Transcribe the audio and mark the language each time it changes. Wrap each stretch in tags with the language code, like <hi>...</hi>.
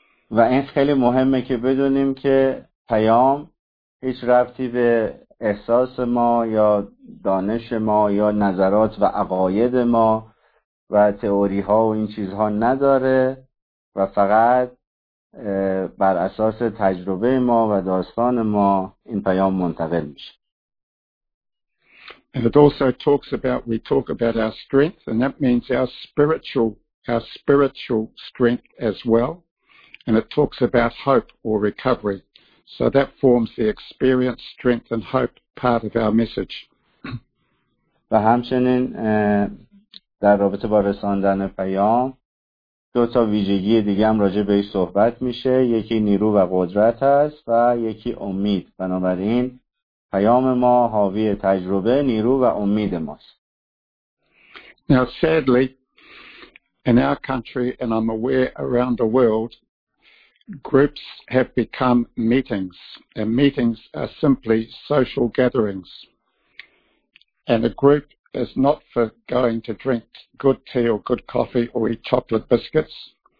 <fa>و این خیلی مهمه که بدونیم که پیام هیچ ربطی به احساس ما یا دانش ما یا نظرات و عقاید ما و تئوری ها و این چیزها نداره و فقط بر اساس تجربه ما و داستان ما این پیام منتقل میشه.</fa> <en>And it also talks about, we talk about our strength, and that means our spiritual strength as well. And it talks about hope or recovery. So that forms the experience, strength and hope part of our message.</en> <fa>و همچنین در رابطه با رساندن پیام دو تا ویژگی دیگه هم راجع به این صحبت میشه، یکی نیرو و قدرت هست و یکی امید. بنابراین پیام ما حاوی تجربه، نیرو و امید ماست.</fa> <en>Now sadly, in our country, and I'm aware around the world, groups have become meetings, and meetings are simply social gatherings. And a group is not for going to drink good tea or good coffee or eat chocolate biscuits.</en>